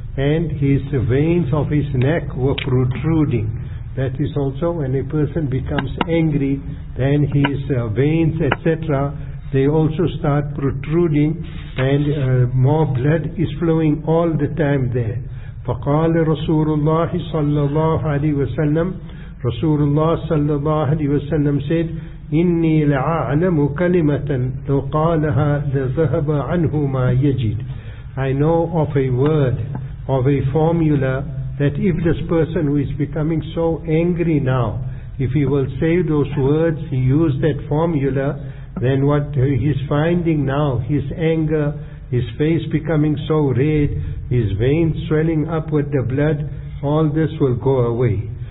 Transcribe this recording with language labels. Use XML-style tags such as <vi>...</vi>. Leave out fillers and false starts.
<en>And his veins of his neck were protruding. That is also when a person becomes angry, then his veins, etc., they also start protruding and more blood is flowing all the time there.</en> <ar>فقال رسول الله صلى الله عليه وسلم رسول الله صلى الله عليه وسلم</ar> <en>said</en> <ar>إني لأعلم كلمة لو قالها لذهب عنه ما يجد.</ar> <en>I know of a word, of a formula, that if this person who is becoming so angry now, if he will say those words, he used that formula, then what he's finding now, his anger, his face becoming so red, his veins swelling up with the blood, all this will go away.</en>